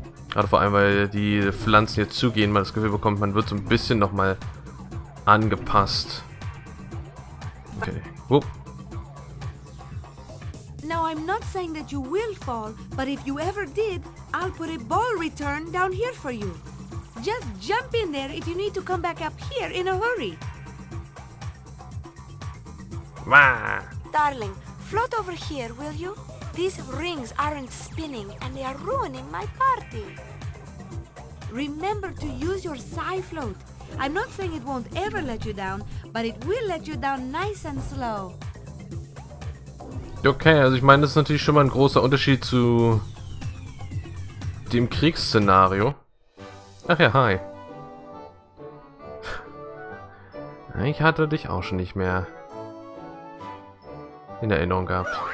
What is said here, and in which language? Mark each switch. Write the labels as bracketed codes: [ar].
[de] Gerade vor allem, weil die Pflanzen hier zugehen, man das Gefühl bekommt, man wird so ein bisschen nochmal angepasst. Okay. Whoop. [en] Now I'm not saying that you will fall, but if you ever did, I'll put a ball return down here for you. Just jump in there if you need to come back up here in a hurry. Wah. Darling, float over here, will you? These rings aren't spinning and they are ruining my party. Remember to use your psi float. I'm not saying it won't ever let you down, but it will let you down nice and slow. [de] Okay, also ich meine, das ist natürlich schon mal ein großer Unterschied zu dem Kriegsszenario. Ach ja, hi. Ich hatte dich auch schon nicht mehr in Erinnerung gehabt.